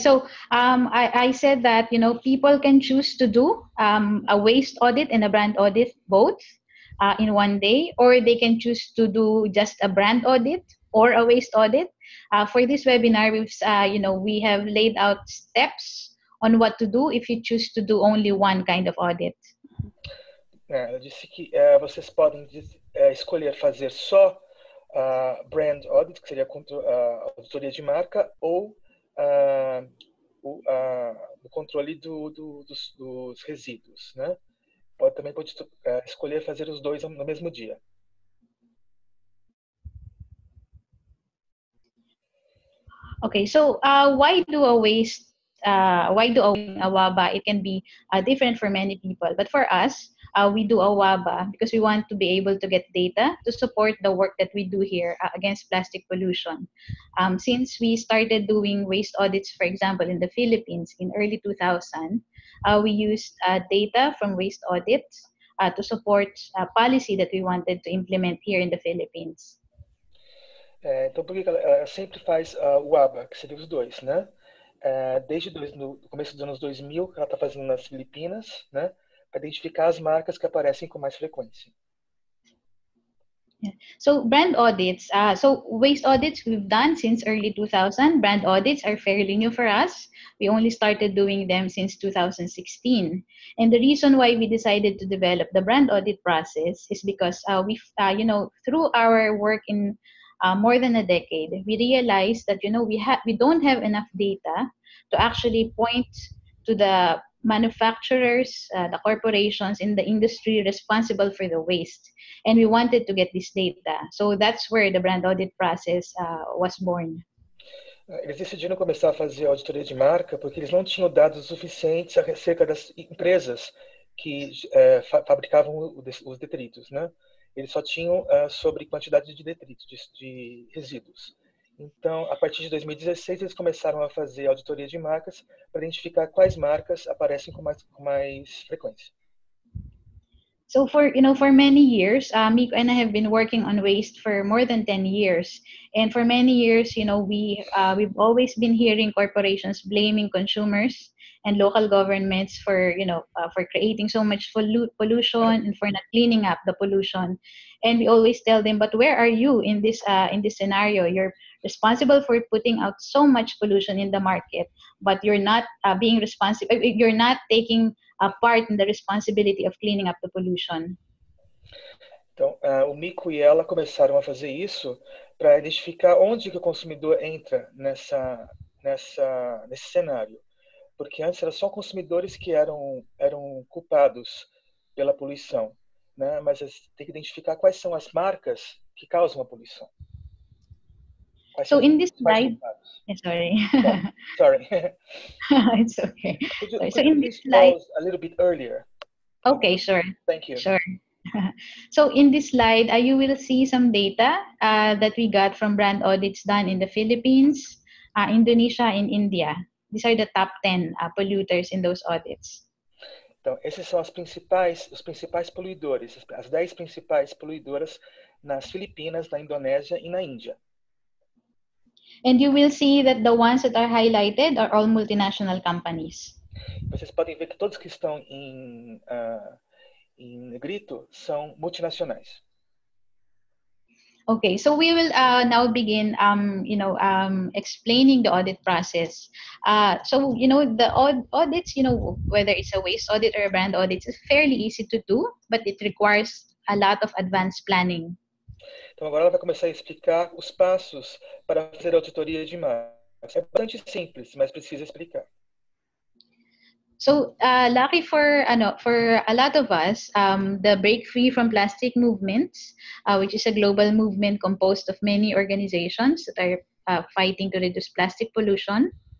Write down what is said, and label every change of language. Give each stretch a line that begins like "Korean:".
English: So I said that, you know, people can choose to do a waste audit and a brand audit both in one day, or they can choose to do just a brand audit or a waste audit. For this webinar, we've, you know, we have laid out steps on what to do if you choose to do only one kind of audit.
Portuguese: Eu disse que vocês podem escolher fazer só brand audit, que seria auditoria de marca, ou o controle dos resíduos, né? Também pode escolher fazer os dois no mesmo dia.
English: Okay, so why do a WABA? It can be different for many people, but for us, we do a WABA because we want to be able to get data to support the work that we do here against plastic pollution. Since we started doing waste audits, for example, in the Philippines in early 2000, We used data from waste audits to support a policy that we wanted to implement here in the Philippines.
Portuguese: Então, por que ela sempre faz o ABA, que seria os dois, né? Desde no começo dos anos 2000, que ela está fazendo nas Filipinas, né? Para identificar as marcas que aparecem com mais frequência.
English: So, brand audits. So, waste audits we've done since early 2000. Brand audits are fairly new for us. We only started doing them since 2016. And the reason why we decided to develop the brand audit process is because through our work in more than a decade, we realized that, we don't have enough data to actually point to the manufacturers, the corporations in the industry responsible for the waste. And we wanted to get this data. So that's where the brand audit process was born.
Portuguese: Eles decidiram começar a fazer auditoria de marca porque eles não tinham dados suficientes acerca das empresas que fabricavam os detritos, né? Eles só tinham sobre quantidade de detritos, de resíduos. Então, a partir de 2016, eles começaram a fazer auditoria de marcas para identificar quais marcas aparecem com mais frequência.
English: So for many years, Miko and I have been working on waste for more than 10 years. And for many years, we've always been hearing corporations blaming consumers and local governments for creating so much pollution and for not cleaning up the pollution. And we always tell them, but where are you in this scenario? You're responsible for putting out so much pollution in the market, but you're not being responsible. You're not taking a part in the responsibility of cleaning up the pollution.
Portuguese: Então, o Miko e ela começaram a fazer isso para identificar onde que o consumidor entra nesse cenário. Porque antes eram só consumidores que eram culpados pela poluição, né? Mas tem que identificar quais são as marcas que causam a poluição.
English: So in this slide, it's okay. Could you in this slide, a little bit earlier. Okay, sure. Thank you. Sure. So in this slide, you will see some data that we got from brand audits done in the Philippines, Indonesia, and India. These are the top 10 polluters in those audits.
Portuguese: Então, esses são os principais poluidores, as 10 principais poluidoras nas Filipinas, na Indonésia e na Índia.
English: And you will see that the ones that are highlighted are all multinational companies.
Portuguese: Vocês podem ver que todos que estão em negrito são multinacionais.
English: Okay, so we will now begin, explaining the audit process. The audits, whether it's a waste audit or a brand audit, it's fairly easy to do, but it requires a lot of advanced planning.
Portuguese: Então agora ela vai começar a explicar os passos para fazer auditoria de marcas. É bastante simples, mas precisa explicar.
English: So, lucky for a lot of us, the Break Free from Plastic movement, which is a global movement composed of many organizations that are fighting to reduce plastic pollution.